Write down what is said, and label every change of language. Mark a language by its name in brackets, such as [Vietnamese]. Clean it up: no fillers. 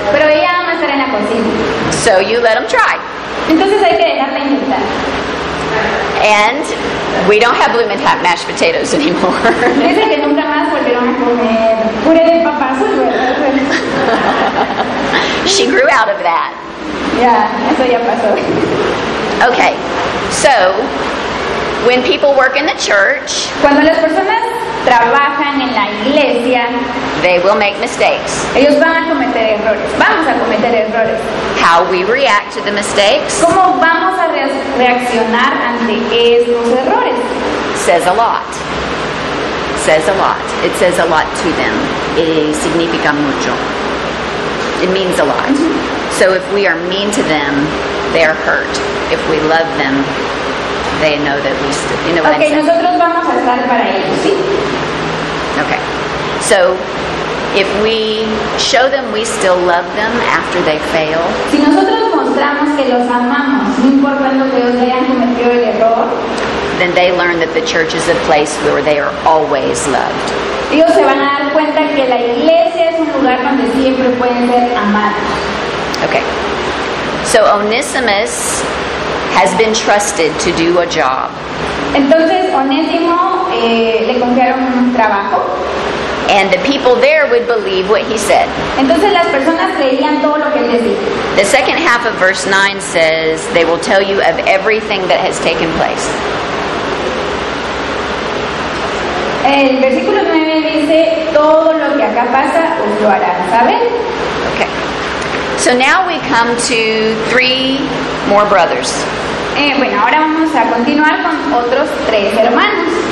[Spanish] Pero ella ama estar en la cocina. [English] So you let them try. [Spanish] Entonces hay que dejarla intentar. [English] And we don't have blue mashed potatoes anymore. [Spanish] Dice que nunca más volvieron a comer puré de papa azul, ¿verdad? [English] She grew out of that. [Spanish] Yeah, eso ya pasó. [English] Okay, so when people work in the church, [Spanish] cuando las personas trabajan en la iglesia, [English] they will make mistakes. [Spanish] Ellos van a cometer errores. Vamos a cometer errores. [English] How we react to the mistakes? [Spanish] ¿Cómo vamos a reaccionar ante esos errores? [English] Says a lot. Says a lot. It says a lot to them. [Spanish] Y significa mucho. [English] It means a lot. Mm-hmm. So if we are mean to them, they are hurt. If we love them, they know that we still, you know what I'm saying? Okay, [Spanish] nosotros vamos a estar para ellos, ¿sí? [English] Okay. So if we show them we still love them after they fail. [Spanish] Si nosotros mostramos que los amamos, no importa lo que ellos hayan cometido el error. [English] Then they learn that the church is a place where they are always loved. [Spanish] Ellos se van a dar cuenta que la iglesia es un lugar donde siempre pueden ser amados. [English] Okay. So Onesimus has been trusted to do a job. [Spanish] Entonces Onésimo le confiaron un trabajo. [English] And the people there would believe what he said. [Spanish] Entonces las personas creían todo lo que él decía. [English] The second half of verse 9 says they will tell you of everything that has taken place. [Spanish] El versículo 9 dice todo lo que acá pasa os lo harán, ¿saben? [English] Okay. So now we come to three more brothers. [Spanish] Bueno, ahora vamos a continuar con otros tres hermanos.